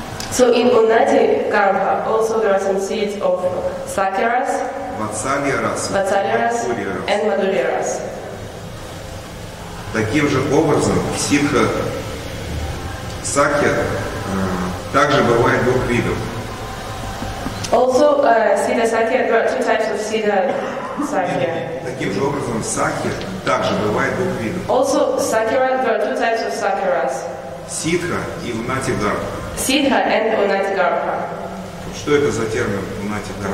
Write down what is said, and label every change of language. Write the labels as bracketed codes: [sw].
[en] So in Unnati Garbha also there are some seeds of Sakya ras, Vatsalya ras, and Madhurya ras. [ru] Таким же образом ситха Сакья также бывает двух видов. [en] Also Siddha Sakya, there are two types of Siddha Sakya. [ru] Таким же образом Сакья также бывает двух видов. [en] Also Sakya ras, there are two types of Sakya ras. [ru] Ситха и Унати Гарбха. Сиддха и Унати Гарбха. Что это за термин Унати Гарбха?